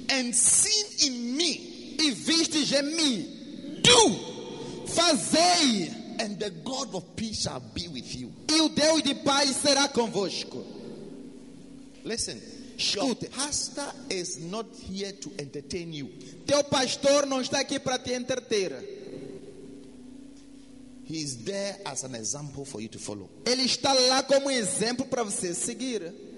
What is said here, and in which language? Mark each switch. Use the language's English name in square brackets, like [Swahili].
[English] And seen in me. [Portuguese] E vistes em mim. [English] Do. [Portuguese] Fazei. [English] And the God of peace shall be with you. [Portuguese] E o Deus de paz será convosco. [English] Listen. Your pastor is not here to entertain you. [Portuguese] Teu pastor não está aqui para te entreter. [English] He is there as an example for you to follow. [Portuguese] Ele está lá como exemplo para você seguir.